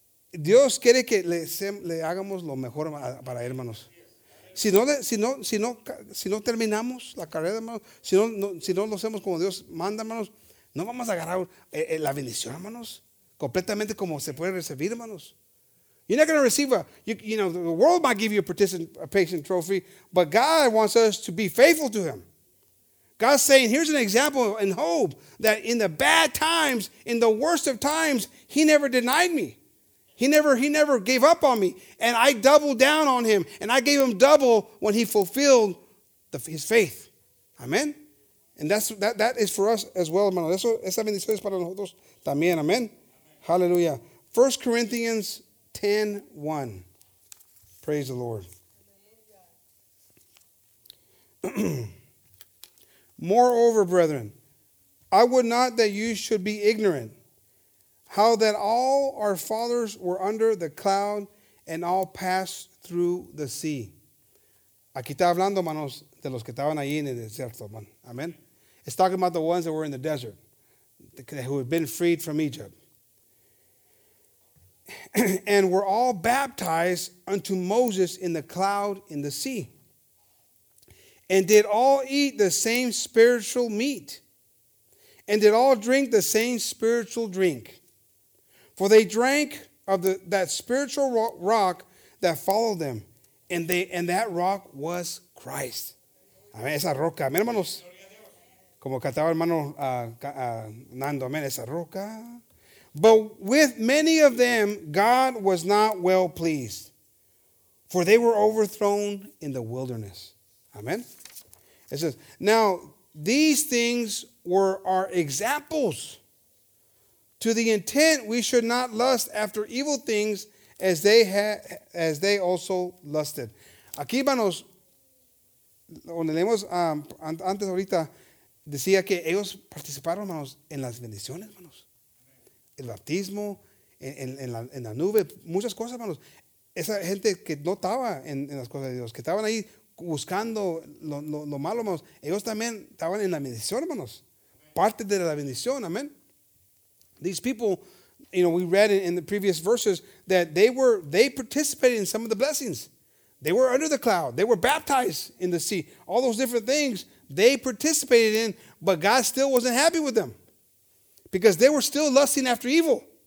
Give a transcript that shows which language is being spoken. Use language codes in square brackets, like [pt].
[es] Dios quiere que le hagamos lo mejor para él, hermanos. Si no terminamos la carrera, hermanos, si no lo hacemos como Dios manda, hermanos, no vamos a agarrar la bendición, hermanos, completamente como se puede recibir, hermanos. [en] You're not going to receive the world might give you a participation trophy, but God wants us to be faithful to him. God's saying, here's an example and hope that in the bad times, in the worst of times, he never denied me. He never gave up on me. And I doubled down on him. And I gave him double when he fulfilled his faith. Amen. And that is for us as well, hermano. [es] Eso, esa bendición es para nosotros también. Amen. Amen. Hallelujah. [en] 1 Corinthians 10:1. Praise the Lord. Moreover, brethren, I would not that you should be ignorant. How that all our fathers were under the cloud and all passed through the sea. [es] Aquí está hablando, hermanos, de los que estaban ahí en el desierto, man. Amen. [en] It's talking about the ones that were in the desert, who had been freed from Egypt. And were all baptized unto Moses in the cloud in the sea. And did all eat the same spiritual meat. And did all drink the same spiritual drink. For they drank of that spiritual rock that followed them, and that rock was Christ. [es] Amén, esa roca. Amén, hermanos. Como cantaba hermano Nando, amén, esa roca. [en] But with many of them, God was not well pleased, for they were overthrown in the wilderness. Amén. It says, now these things were our examples. To the intent we should not lust after evil things as they also lusted. [es] Aquí, hermanos, donde leemos antes ahorita, decía que ellos participaron, hermanos, en las bendiciones, hermanos. El bautismo, en la nube, muchas cosas, hermanos. Esa gente que no estaba en las cosas de Dios, que estaban ahí buscando lo malo, hermanos, ellos también estaban en la bendición, hermanos. Parte de la bendición, amén. [en] These people, you know, we read in the previous verses that they participated in some of the blessings. They were under the cloud. They were baptized in the sea. All those different things they participated in, but God still wasn't happy with them because they were still lusting after evil.